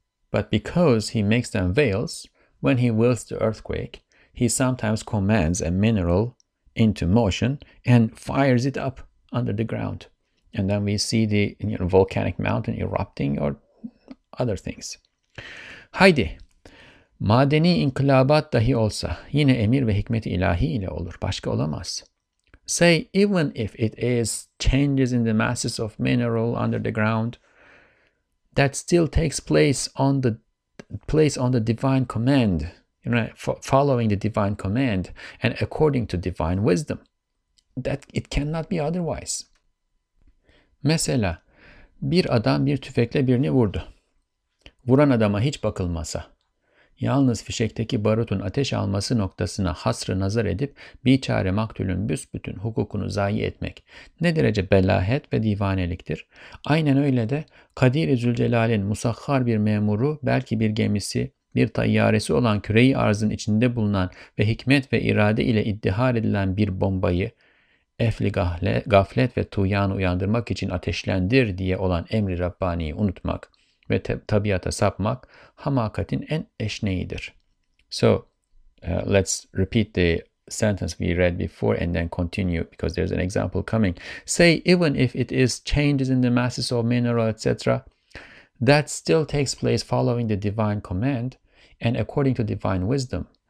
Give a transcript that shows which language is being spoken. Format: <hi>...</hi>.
<en>But because He makes them veils, when He wills the earthquake, He sometimes commands a mineral into motion and fires it up under the ground. And then we see the volcanic mountain erupting or other things.</en> <tr>Haydi! Madeni inkılabat dahi olsa yine emir ve hikmet-i ilahi ile olur. Başka olamaz.</tr> <en>Say, even if it is changes in the masses of mineral under the ground, that still takes place on the divine command, you know, following the divine command and according to divine wisdom. That it cannot be otherwise.</en> <tr>Mesela, bir adam bir tüfekle birini vurdu. Vuran adama hiç bakılmasa, yalnız fişekteki barutun ateş alması noktasına hasrı nazar edip biçare maktulün büsbütün hukukunu zayi etmek ne derece belahet ve divaneliktir. Aynen öyle de Kadir-i Zülcelal'in musahhar bir memuru, belki bir gemisi, bir tayyaresi olan küre-i arzın içinde bulunan ve hikmet ve irade ile iddihar edilen bir bombayı efli gaflet ve tuğyan uyandırmak için ateşlendir diye olan emri Rabbani'yi unutmak ve tabiata sapmak hamakatin en eşneğidir.</tr> <en>So, let's repeat the sentence we read before and then continue, because there's an example coming. Say, even if it is changes in the masses of mineral, etc., that still takes place following the divine command and according to divine wisdom.</en>